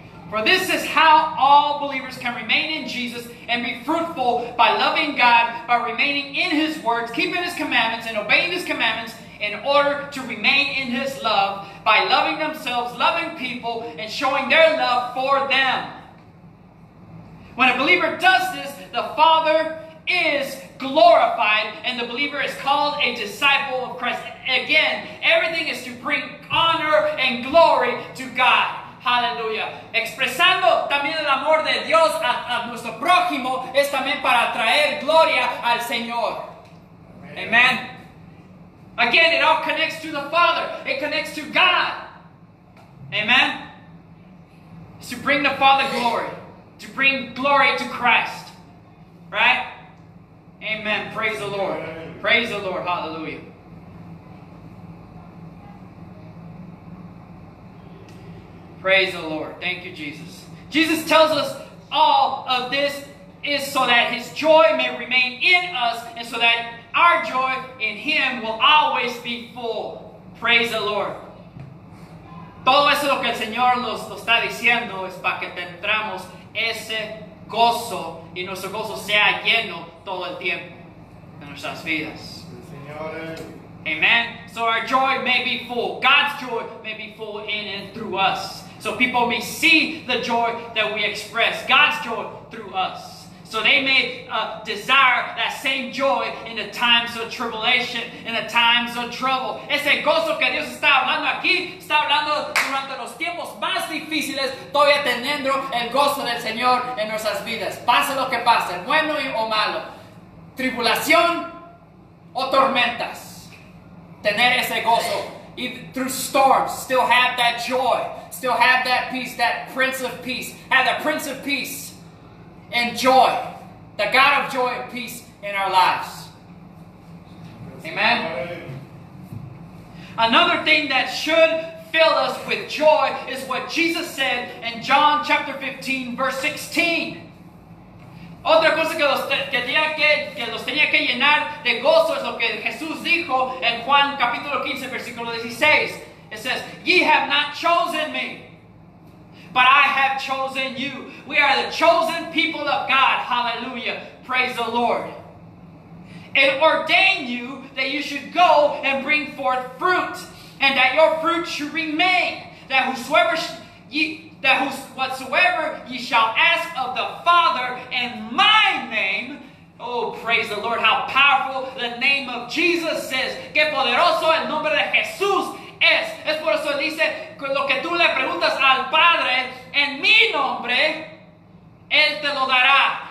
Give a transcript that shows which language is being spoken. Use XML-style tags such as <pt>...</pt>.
<en>For this is how all believers can remain in Jesus and be fruitful by loving God, by remaining in His words, keeping His commandments, and obeying His commandments in order to remain in His love, by loving themselves, loving people, and showing their love for them. When a believer does this, the Father is glorified, and the believer is called a disciple of Christ. Again, everything is to bring honor and glory to God. Hallelujah.</en> <es>Expresando también el amor de Dios a nuestro prójimo es también para traer gloria al Señor.</es> <en>Amen. Amen. Again, it all connects to the Father. It connects to God. Amen. It's to bring the Father glory. To bring glory to Christ. right? Amen. Praise the Lord. Praise the Lord. Hallelujah. Praise the Lord. Thank you, Jesus. Jesus tells us all of this is so that his joy may remain in us and so that our joy in him will always be full. Praise the Lord.</en> <es>Todo eso lo que el Señor nos está diciendo es para que tengamos ese gozo y nuestro gozo sea lleno todo el tiempo en nuestras vidas.</es> <en>Amen. So our joy may be full. God's joy may be full in and through us. So people may see the joy that we express. God's joy through us. So they may desire that same joy in the times of tribulation, in the times of trouble.</en> <es>Ese gozo que Dios está hablando aquí, está hablando durante los tiempos más difíciles, todavía teniendo el gozo del Señor en nuestras vidas. Pase lo que pase, bueno o malo. Tribulación o tormentas. Tener ese gozo.</es> <en>Even through storms, still have that joy. Still have that peace, that Prince of Peace. Have the Prince of Peace and joy. The God of joy and peace in our lives. Amen. Another thing that should fill us with joy is what Jesus said in John chapter 15, verse 16.</en> <es>Otra cosa que los tenía que llenar de gozo es lo que Jesús dijo en Juan capítulo 15, versículo 16.</es> <en>It says, ye have not chosen me, but I have chosen you. We are the chosen people of God. Hallelujah. Praise the Lord. It ordained you that you should go and bring forth fruit, and that your fruit should remain, that whosoever ye... that whatsoever ye shall ask of the Father in my name, oh, praise the Lord, how powerful the name of Jesus is.</en> <es>Que poderoso el nombre de Jesús es. Es por eso dice, lo que tú le preguntas al Padre, en mi nombre, Él te lo dará.</es>